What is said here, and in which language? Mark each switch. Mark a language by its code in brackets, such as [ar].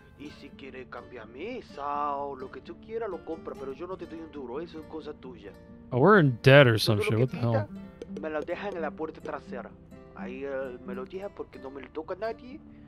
[es] Y si quiere cambiar mesa o lo que tú quieras lo compra, pero yo no te doy un duro, eso es cosa tuya. [en] Oh, we're in debt or some shit, what the hell? [es] Me lo deja en la puerta trasera. Ahí me lo deja porque no me lo toca nadie.